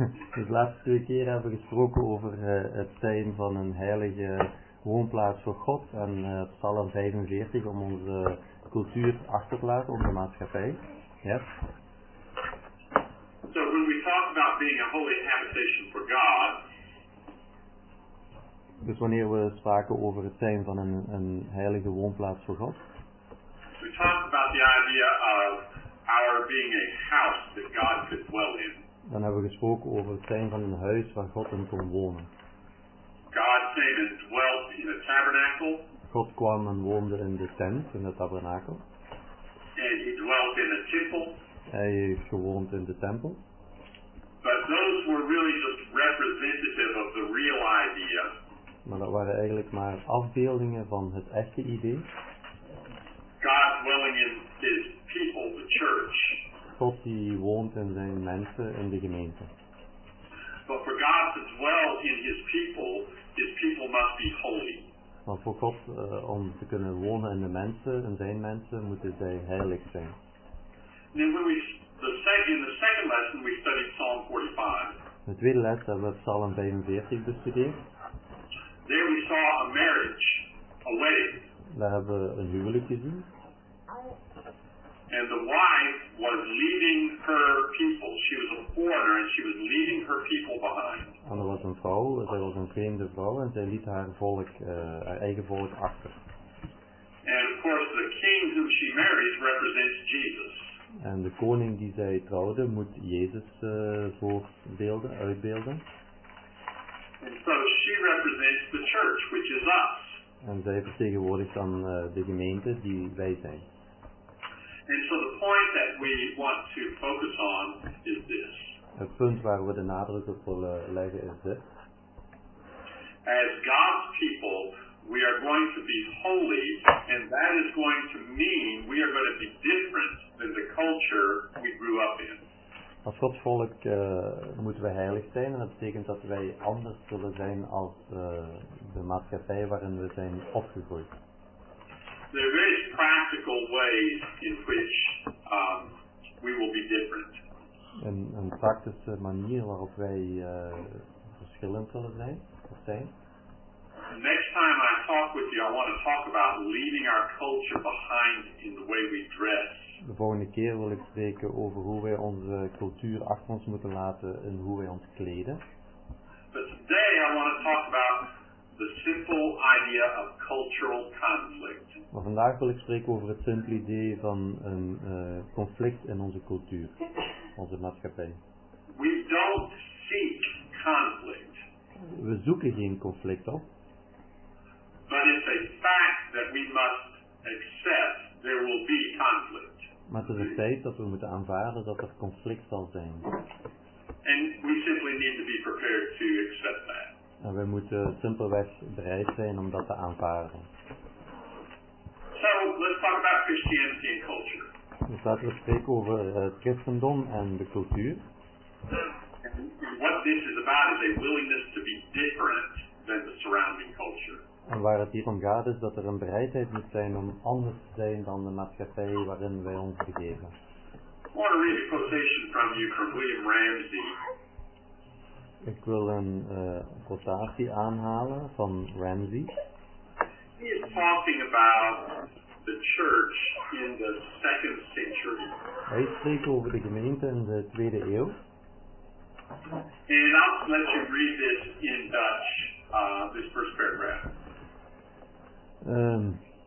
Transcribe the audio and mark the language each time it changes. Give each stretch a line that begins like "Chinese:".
Dutch: Het laatste keer hebben we gesproken over het zijn van een heilige woonplaats voor God en Psalm 45 om onze cultuur achter te laten, onze maatschappij.
English: Yes. So when we talk about being a holy habitation for God,
Dutch: dus wanneer we spraken over het zijn van een heilige woonplaats voor God,
English: we talk about the idea of our being a house that God could dwell in.
Dutch: Dan hebben we gesproken over het zijn van een huis waar God in kon wonen.
English: God came and dwelt in a tabernacle.
Dutch: God kwam en woonde in de tent, in de tabernakel.
English: And he dwelt in a temple.
Dutch: Hij heeft gewoond in de tempel.
English: But those were really just representative of the real idea.
Dutch: Maar dat waren eigenlijk maar afbeeldingen van het echte idee.
English: God dwelling in his people, the church.
Dutch: God die woont in zijn mensen, in de gemeente.
English: But for God to dwell in his people must be holy.
Dutch: Maar voor God om te kunnen wonen in de mensen, in zijn mensen, moeten zij heilig zijn.
English: Then when in the second lesson we studied Psalm 45.
Dutch: In de tweede les hebben we Psalm 45 bestudeerd.
English: There we saw a marriage, a wedding.
Dutch: Daar hebben we een huwelijk gezien.
English: And the wife was leaving her people. She was a foreigner and she was leaving her people behind.
Dutch: En er was een vrouw, zij was een vreemde vrouw en zij liet haar volk, haar eigen volk achter.
English: And of course the king whom she marries represents Jesus.
Dutch: En de koning die zij trouwde moet Jezus voorbeelden, uitbeelden.
English: And so she represents the church, which is us.
Dutch: En zij vertegenwoordigt dan de gemeente die wij zijn.
English: And so the point that we want to focus on is this.
Dutch: Het punt waar we de nadruk op willen leggen is dit.
English: As God's people, we are going to be holy, and that is going to mean we are going to be different than the culture we grew up in.
Dutch: Als Gods volk moeten we heilig zijn, en dat betekent dat wij anders zullen zijn als de maatschappij waarin we zijn opgegroeid.
English: There are various practical ways in which we will be different.
Dutch: Een praktische manier waarop wij verschillend zullen zijn, of zijn.
English: Next time I talk with you, I want to talk about leaving our culture behind in the way we dress.
Dutch: De volgende keer wil ik spreken over hoe wij onze cultuur achter ons moeten laten en hoe wij ons kleden.
English: But today I want to talk about the simple idea of cultural conflict.
Dutch: Maar vandaag wil ik spreken over het simpele idee van een conflict in onze cultuur, onze maatschappij.
English: We don't seek conflict.
Dutch: We zoeken geen conflict op.
English: But it's a fact that we must accept there will be conflict.
Dutch: Maar het is een feit dat we moeten aanvaarden dat er conflict zal zijn.
English: And we simply need to be prepared to accept that.
Dutch: En we moeten simpelweg bereid zijn om dat te aanvaarden.
English: So, let's talk about Christianity and culture.
Dutch: Dus laten we spreken over het christendom en de cultuur.
English: What this is about is a willingness to be different than the surrounding culture.
Dutch: En waar het hier om gaat is dat er een bereidheid moet zijn om anders te zijn dan de maatschappij waarin wij ons begeven.
English: I want to read a quotation from you from William Ramsey.
Dutch: Ik wil een quotatie aanhalen van Ramsey.
English: He is talking about the church in the second century.
Dutch: Hij spreekt over de gemeente in de tweede eeuw.
English: And I'll let you read this in Dutch, this first paragraph.